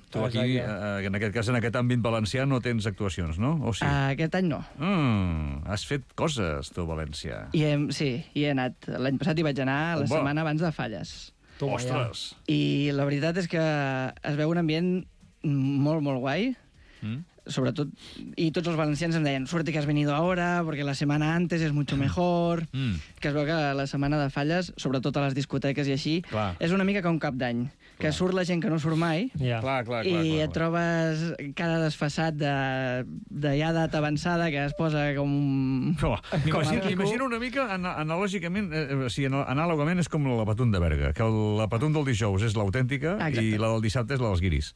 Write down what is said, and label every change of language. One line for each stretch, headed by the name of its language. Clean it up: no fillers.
Catalan: Tu aquí, en aquest cas, en aquest àmbit valencià, no tens actuacions, no? O sí? Aquest any no. Has fet coses, tu, València. Hi he anat. L'any passat hi vaig anar la setmana abans de falles. Toma, ostres! Ja. I la veritat és que es veu un ambient molt, molt guai. Sobretot, i tots els valencians em deien
Spanish: suerte que has venido ahora, porque la semana antes es mucho mejor.
Catalan: Que es veu que la setmana de falles, sobretot a les discoteques i així, clar, és una mica com un cap d'any, que surt la gent que no surt mai, yeah. clar, i clar. Et trobes cada desfassat de ja data avançada que es posa com... Imagina una mica, analògicament, anàlogament és com la Patum de Berga, que la Patum del dijous és l'autèntica i la del dissabte és la dels guiris.